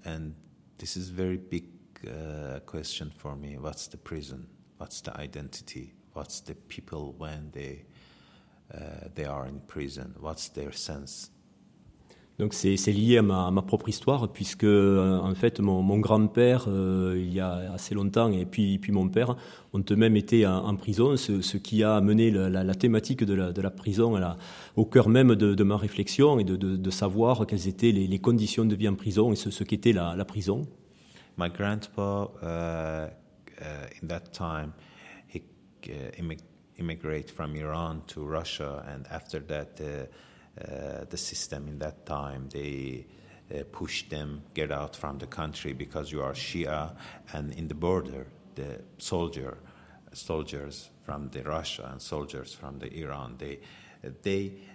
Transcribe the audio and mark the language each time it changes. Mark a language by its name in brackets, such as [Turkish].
[English] And this is very big question for me. What's the prison? What's the identity? What's the people when they are in prison? What's their sense? [French] Donc c'est lié à ma propre histoire, puisque en fait mon grand-père, il y a assez longtemps, et puis mon père, ont eux-mêmes été en prison, ce qui a amené la thématique de la prison au cœur même de ma réflexion, et de savoir quelles étaient les conditions de vie en prison et ce qu'était la prison. [English] My grandpa, in that time, he immigrated from Iran to Russia, and after that, the system in that time, they pushed them get out from the country because you are Shia, and in the border, the soldiers from the Russia and soldiers from the Iran, they